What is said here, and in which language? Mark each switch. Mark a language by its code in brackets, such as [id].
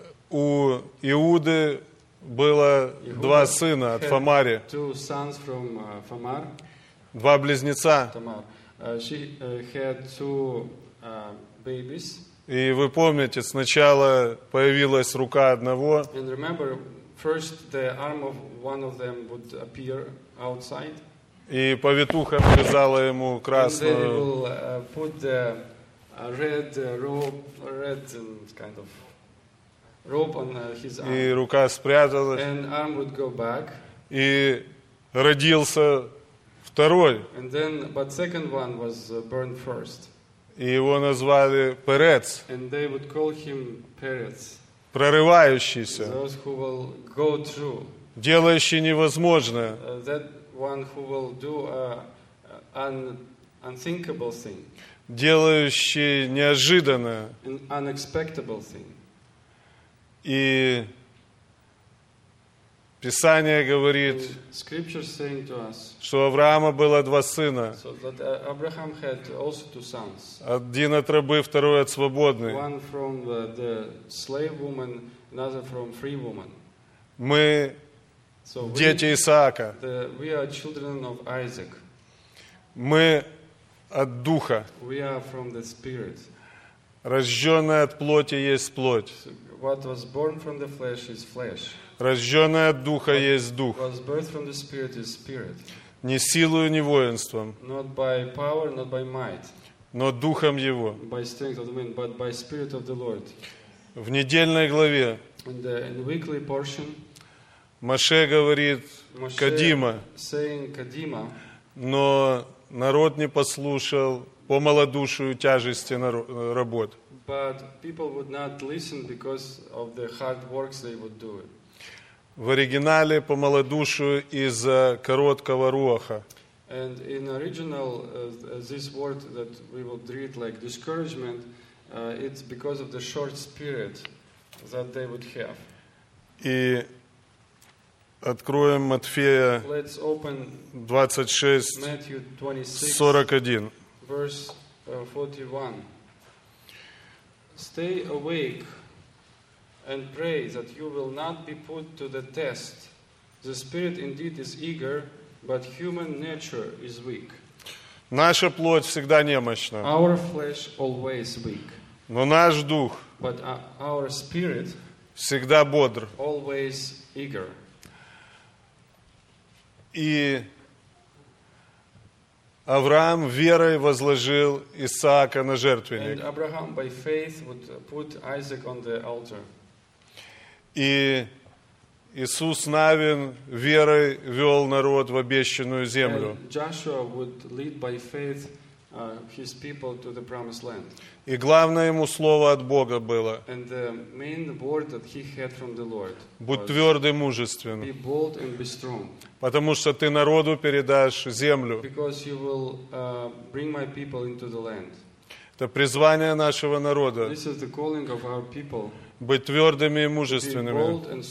[ru] У Иуды было два сына от Фамари. [en] Two sons from Famar. [ru] Два близнеца. [en] Tamar. She had two babies. [ru] И вы помните, сначала появилась рука одного. [en] And remember, first the arm of one of them would appear outside. [ru] И повитуха обвязала ему красную. [en] And then they will put the red rope, red kind of rope on his arm. [ru] И рука спряталась. [en] And arm would go back. [ru] И родился второй. [en] And then, but second one was born first. [ru] И его назвали Перец. [en] And they would call him Перец. [ru] Прорывающийся. [en] Those who will go through. [ru] Делающий невозможное. [en] That one who will do unthinkable thing. [ru] Делающий неожиданное. [en] An unexpectable thing. [ru] И Писание говорит, [en] scripture saying to us, [ru] что у Авраама было два сына. [en] So that Abraham had also two sons. [ru] Один от рабы, второй от свободной. [en] One from the slave woman, another from free woman. [ru] Мы [en] so [ru] дети [en] we, [ru] Исаака. [en] The, we are children of Isaac. [ru] Мы от Духа. [en] We are from the spirit. [ru] Рожденная от плоти есть плоть. [en] So what was born from the flesh is flesh. [ru] Рожденный от Духа [en] but [ru] есть Дух. [en] Was birthed from the Spirit is Spirit. [ru] Не силою, не воинством. [en] Not by power, not by might. [ru] Но Духом Его. [en] By strength of the wind, but by Spirit of the Lord. [ru] В недельной главе. [en] In the weekly portion. [ru] Моше говорит, Моше Кадима. [en] Saying Кадима. [ru] Но народ не послушал по малодушию тяжести работ. [en] But people would not listen because of the hard works they would do. [ru] В оригинале по малодушию из-за короткого руаха. [en] And in original this word that we will read like discouragement, it's because of the short spirit that they would have. [ru] И откроем Матфея 26, 41. [en] Verse 41. Stay awake and pray that you will not be put to the test. The spirit indeed is eager, but human nature is weak. [ru] Наша плоть всегда немощна. [en] Our flesh always weak. [ru] Но наш дух. [en] But our spirit. [ru] Всегда бодр. [en] Always eager. [ru] И Авраам верой возложил Исаака на жертвенник. [en] And Abraham by faith would put Isaac on the altar. [ru] И Иисус Навин верой вел народ в обещанную землю. [en] And Joshua would lead by faith his people to the promised land. [ru] И главное ему слово от Бога было. [en] And the main word that he had from the Lord. [ru] Будь тверд и мужествен. [en] Be bold and be strong. [ru] Потому что ты народу передашь землю. [en] Because you will bring my people into the land. [ru] Это призвание нашего народа. [en] This is the calling of our people. [ru] Быть твердыми и мужественными.